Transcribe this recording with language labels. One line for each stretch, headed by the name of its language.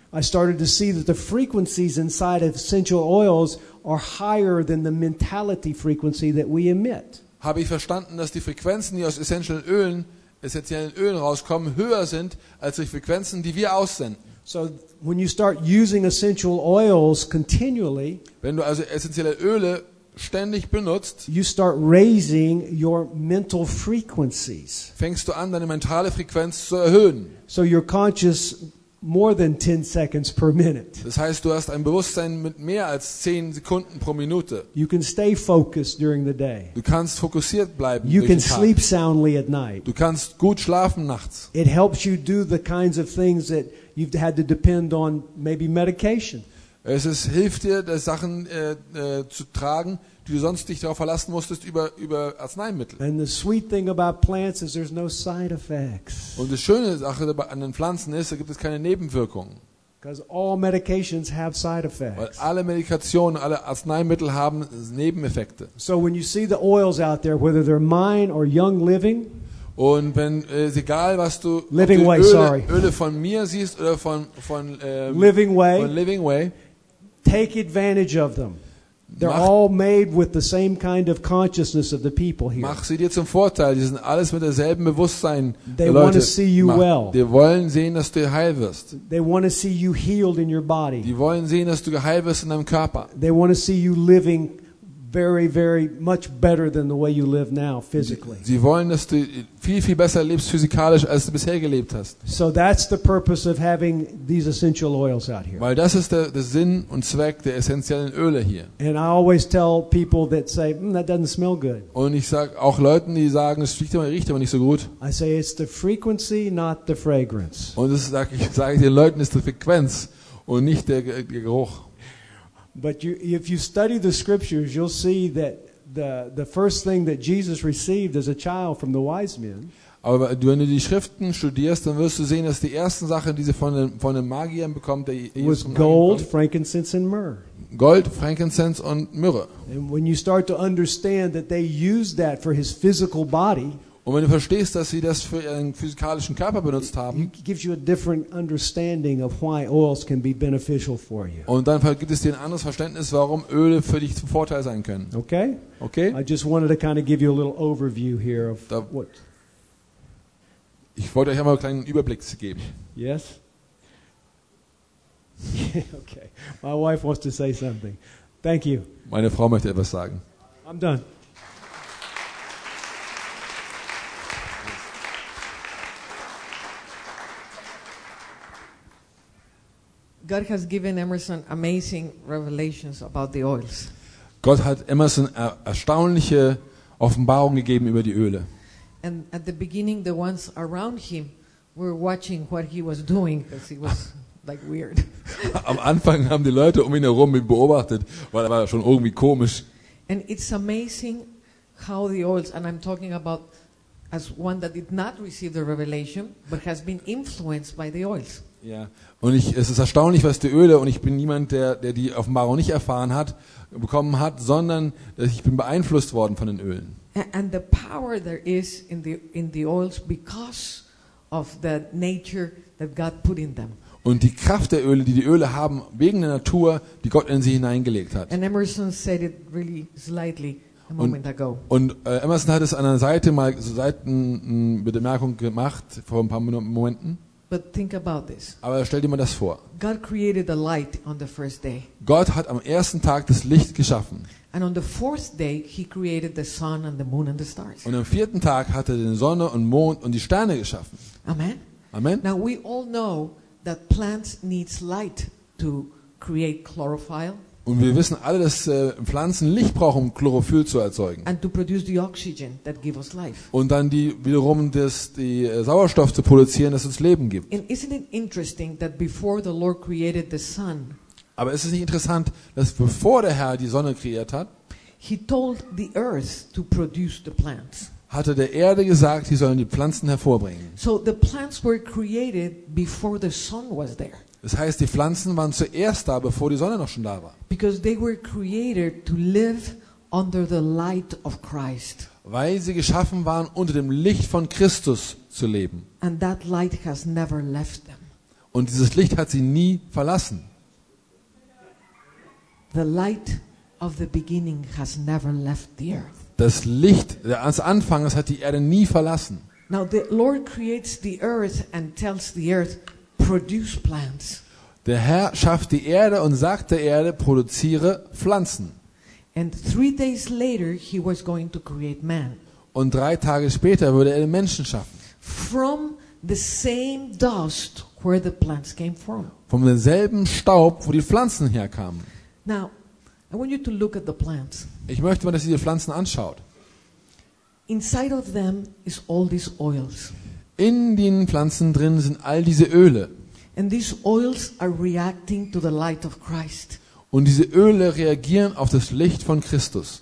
English: I started to see that the frequencies inside of essential oils are higher than the mentality frequency that we emit.
German: Habe ich verstanden, dass die Frequenzen, die aus essentiellen Ölen rauskommen, höher sind als die Frequenzen, die wir aussenden.
English: So when you start using essential oils continually,
German: wenn du also essentielle Öle ständig benutzt,
English: you start raising your mental frequencies.
German: Fängst du an, deine mentale Frequenz zu erhöhen.
English: So you're conscious more than 10 seconds per minute.
German: Das heißt, du hast ein Bewusstsein mit mehr als 10 Sekunden pro Minute.
English: You can stay focused during the day.
German: Du kannst fokussiert bleiben.
English: You can sleep soundly at night.
German: Du kannst gut schlafen nachts.
English: It helps you do the kinds of things that you've had to depend on maybe medication.
German: Es hilft dir, das Sachen zu tragen, die du sonst dich darauf verlassen musstest über Arzneimittel.
English: And the sweet thing about plants is there's no side effects.
German: Und die schöne Sache an den Pflanzen ist, da gibt es keine Nebenwirkungen.
English: Because all medications have side effects.
German: Weil alle Medikationen, alle Arzneimittel haben Nebeneffekte.
English: So when you see the oils out there, whether they're mine or Young Living.
German: Und wenn es egal, was du
English: Living
German: Öle,
English: Way, sorry.
German: Öle von mir siehst oder von
English: Living Way,
German: von Living Way,
English: take advantage of them. They're all made with the same kind of consciousness of the people here.
German: Mach sie dir zum Vorteil. Die sind alles mit derselben Bewusstsein.
English: They
German: Leute,
English: want to see you well.
German: Die wollen sehen, dass du heil wirst.
English: They want to see you healed in your body.
German: Die wollen sehen, dass du geheilt wirst in deinem Körper.
English: They want to see you living very, very much better than the way you live now physically.
German: Sie wollen, dass du viel, viel besser lebst physikalisch, als du bisher gelebt hast.
English: So that's the purpose of having these essential oils out here.
German: Weil das ist der Sinn und Zweck der essentiellen Öle hier.
English: And I always tell people that say, that doesn't smell good.
German: Und ich sag auch Leuten, die sagen, es riecht aber nicht so gut.
English: I say it's the frequency, not the fragrance.
German: Und das sage ich den Leuten, ist die Frequenz und nicht der Geruch.
English: But if you study the scriptures, you'll see that the first thing that Jesus received as a child from the wise men.
German: Aber wenn du die Schriften studierst, dann wirst du sehen, dass die ersten Sachen, die sie von den Magiern bekommt, der Jesus
English: was gold, frankincense and myrrh.
German: Gold, Frankincense und Myrrhe.
English: And when you start to understand that they used that for his physical body,
German: und wenn du verstehst, dass sie das für ihren physikalischen Körper benutzt haben, it
English: gives you a different understanding of why oils can be beneficial for you.
German: Und dann gibt es dir ein anderes Verständnis, warum Öle für dich zum Vorteil sein können.
English: Okay?
German: Okay?
English: I just wanted to kind of give you a little overview here of da, what.
German: Ich wollte euch einmal einen kleinen Überblick geben.
English: Yes. Okay. My wife wants to say something. Thank you.
German: Meine Frau möchte etwas sagen.
English: I'm done. God has given Emerson amazing revelations about the oils.
German: Gott hat Emerson erstaunliche Offenbarungen gegeben über die Öle.
English: And at the beginning, the ones around him were watching what he was doing because he was like weird.
German: Am Anfang haben die Leute um ihn herum ihn beobachtet, weil er war schon irgendwie komisch.
English: And it's amazing how the oils, and I'm talking about as one that did not receive the revelation, but has been influenced by the oils.
German: Ja, und es ist erstaunlich, was die Öle, und ich bin niemand, der die Offenbarung nicht erfahren hat, bekommen hat, sondern ich bin beeinflusst worden von den Ölen.
English: And the power there is in the oils because of the nature that God put in them.
German: Und die Kraft der Öle, die Öle haben, wegen der Natur, die Gott in sie hineingelegt hat.
English: And Emerson said it really slightly a moment ago.
German: Und Emerson hat es an einer Seite mal so Seiten Bemerkung gemacht vor ein paar Momenten.
English: But think about this.
German: Aber stell dir mal das vor.
English: God created the light on the first day.
German: Gott hat am ersten Tag das Licht geschaffen.
English: And on the fourth day he created the sun and the moon and the stars.
German: Und am vierten Tag hat er die Sonne und Mond und die Sterne geschaffen.
English: Amen.
German: Amen.
English: Now we all know that plants need light to create chlorophyll.
German: Und wir wissen alle, dass Pflanzen Licht brauchen, um Chlorophyll zu erzeugen.
English: And to produce the oxygen that gives us life.
German: Und dann wiederum Sauerstoff zu produzieren, das uns Leben gibt.
English: And isn't it interesting that before the Lord created the sun?
German: Aber ist es nicht interessant, dass bevor der Herr die Sonne kreiert hat,
English: he told the earth to produce the plants.
German: Hatte der Erde gesagt, sie sollen die Pflanzen hervorbringen.
English: So the plants were created before the sun was there.
German: Das heißt, die Pflanzen waren zuerst da, bevor die Sonne noch schon da war.
English: Because they were created to live under the light of Christ.
German: Weil sie geschaffen waren, unter dem Licht von Christus zu leben.
English: And that light has never left them.
German: Und dieses Licht hat sie nie verlassen.
English: The light of the beginning has never left the earth.
German: Das Licht des Anfangs hat die Erde nie verlassen.
English: Now the Lord creates the earth and tells the earth, produce plants.
German: Der Herr schafft die Erde und sagt der Erde, produziere Pflanzen.
English: And 3 days later, he was going to create man.
German: Und 3 Tage später würde er den Menschen schaffen.
English: From the same dust where the plants came from.
German: Vom demselben Staub, wo die Pflanzen herkamen.
English: Now, I want you to look at the plants.
German: Ich möchte mal, dass ihr die Pflanzen anschaut.
English: Inside of them is all these oils.
German: In den Pflanzen drin sind all diese Öle.
English: And these oils are reacting to the light of Christ.
German: Und diese Öle reagieren auf das Licht von Christus.